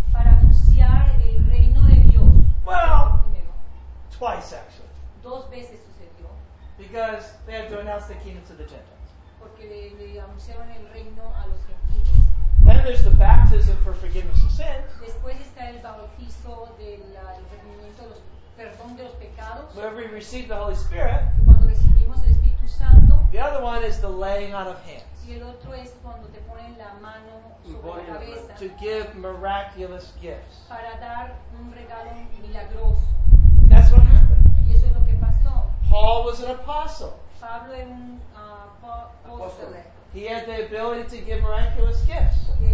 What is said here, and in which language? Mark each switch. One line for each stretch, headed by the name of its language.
Spanish: Para anunciar el reino de Dios.
English: Well, twice actually.
Spanish: Dos veces sucedió.
English: Because they had to announce the kingdom to the Gentiles.
Spanish: Porque le anunciaron el reino a los gentiles.
English: Then there's the baptism for forgiveness of sins.
Spanish: Después está el bautizo del remitimiento de los perdón de los pecados.
English: Where we receive the Holy Spirit.
Spanish: Cuando recibimos el Espíritu Santo.
English: The other one is the laying on of hands.
Spanish: Y el otro es cuando te ponen la mano sobre la cabeza.
English: To give miraculous gifts.
Spanish: Para dar un regalo milagroso.
English: That's what happened.
Spanish: Y eso es lo que pasó.
English: Paul was an apostle.
Spanish: Pablo era un apóstol.
English: He had the ability to give miraculous gifts.